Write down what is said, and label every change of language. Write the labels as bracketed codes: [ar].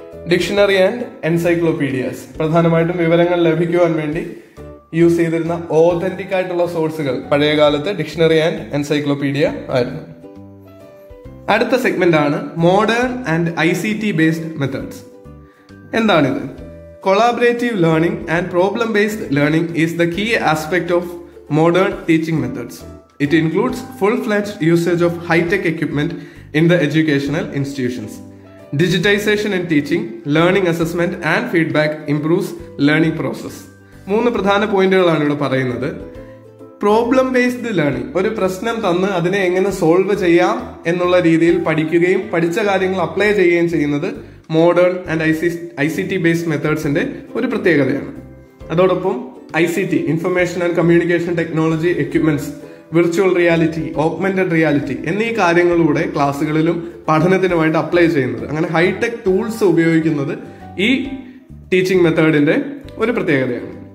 [ml] Dictionary and എൻസൈക്ലോപ്പീഡിയാസ്, പ്രധാനമായിട്ടും വിവരങ്ങൾ ലഭിക്കുവാൻ വേണ്ടി യൂസ് ചെയ്തിരുന്ന ഓതന്റിക് ആയിട്ടുള്ള സോഴ്സുകൾ പഴയകാലത്ത് ഡിക്ഷണറി ആൻഡ് എൻസൈക്ലോപ്പീഡിയ ആയിരുന്നു. അടുത്ത സെഗ്മെന്റ് ആണ് modern and I C T based methods. എന്താണിത്? [en] Collaborative learning and problem based learning is the key aspect of modern teaching methods. It includes full-fledged usage of high-tech equipment in the educational institutions. Digitization in teaching, learning assessment and feedback improves learning process. [ml] മൂന്ന് പ്രധാന പോയിന്റുകളാണ് ഇവിടെ പറയുന്നത്. Problem based learning, ഒരു പ്രശ്നം തന്ന് അതിനെ എങ്ങനെ സോൾവ് ചെയ്യാം എന്നുള്ള രീതിയിൽ പഠിക്കുകയും പഠിച്ച കാര്യങ്ങൾ അപ്ലൈ ചെയ്യുകയും ചെയ്യുന്നത് മോഡേൺ ആൻഡ് ICT ബേസ്ഡ് മെത്തേഡ്സിന്റെ ഒരു പ്രത്യേകതയാണ്. അതോടൊപ്പം ICT information and communication technology equipments, virtual reality, augmented reality എന്നീ കാര്യങ്ങളിലൂടെ ക്ലാസ്സുകളിലും പഠനത്തിനുമായിട്ട് അപ്ലൈ ചെയ്യുന്നത്, അങ്ങനെ ഹൈടെക് ടൂൾസ് ഉപയോഗിക്കുന്നത് ഈ ടീച്ചിങ് മെത്തേഡിന്റെ ഒരു പ്രത്യേകതയാണ്.